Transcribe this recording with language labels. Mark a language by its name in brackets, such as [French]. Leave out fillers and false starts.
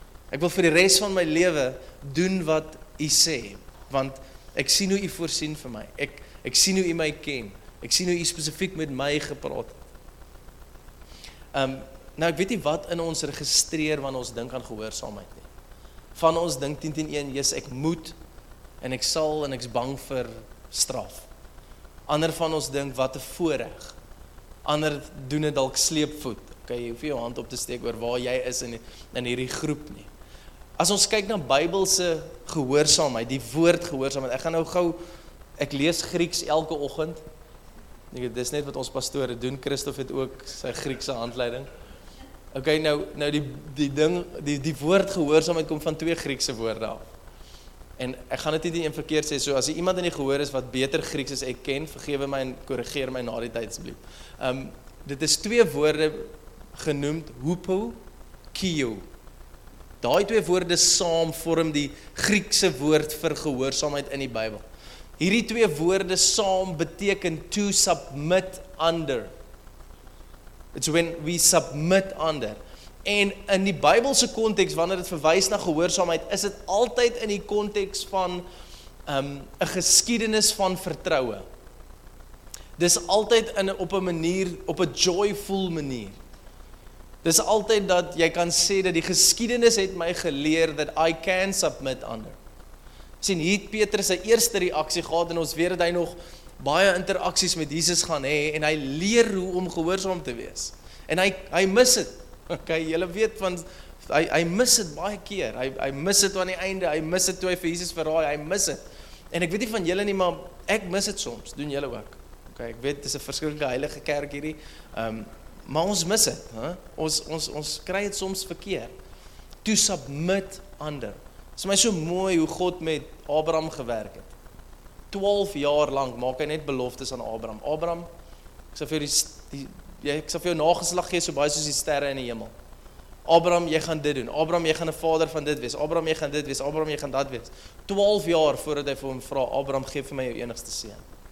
[Afrikaans] Ek wil vir die res van my lewe doen wat hy sê, want ek sien hoe hy voorsien vir my, ek sien hoe hy my ken, ek sien hoe hy spesifiek met my gepraat. Nou ek weet nie wat in ons registreer wanneer ons dink aan gehoorsaamheid nie. Van ons dink 10-10-1, Jesus ek moet en ek sal en ek's bang vir straf. Ander van ons dink wat 'n voorreg. Ander doen dit dalk sleepvoet. Okay, jy hoef jou hand op te steek oor waar jy is in hierdie groep nie. As ons kyk na Bybelse gehoorsaamheid, die woord gehoorsaamheid, ek gaan nou gou, ek lees Grieks elke oggend. Dit is net wat ons pastore doen, Christof het ook sy Griekse handleiding. Okay, nou die woord gehoorsaamheid kom van 2 Griekse woorde af. En ek gaan dit nie verkeerd sê, so as jy iemand in die gehoor is wat beter Grieks as ek ken, vergewe my en korrigeer my na die tyd asseblief. Dit is 2 woorde genoemd, hupo, kio. Daai 2 woorde saam vorm die Griekse woord vir gehoorsaamheid in die Bybel. Hierdie 2 woorde saam beteken [English] to submit under. It's when we submit under. [Afrikaans] En in die Bybelse konteks, wanneer dit verwys na gehoorsaamheid, is dit altyd in die konteks van 'n geskiedenis van vertroue. Dis altyd op 'n joyful manier. Dis altyd dat jy kan sê dat die geskiedenis het my geleer dat [English] I can submit under. [Afrikaans] Sien, hier het Petrus sy eerste reaksie gehad en ons weet dat hy nog baie interaksies met Jesus gaan hê en hy leer hoe om gehoorsaam te wees. En hy mis dit. Okay, julle weet van hy mis dit baie keer. Hy mis dit aan die einde, hy mis dit toe hy vir Jesus verraai, hy mis dit. En ek weet nie van julle nie, maar ek mis dit soms. Doen julle ook? Okay, ek weet dis 'n verskillende heilige kerk hierdie. Maar ons mis dit, hè? Ons kry dit soms verkeer. [English] To submit under. [Afrikaans] Dit is my so mooi hoe God met Abraham gewerk het. 12 jaar lank maak hy net beloftes aan Abraham. Abraham, ek sal vir jou nageslag gee so baie soos die sterre in die hemel. Abraham, jy gaan dit doen. Abraham, jy gaan 'n vader van dit wees. Abraham, jy gaan dit wees. Abraham, jy gaan dat wees. 12 jaar voordat hy vir hom vra, Abraham, gee vir my jou enigste seun.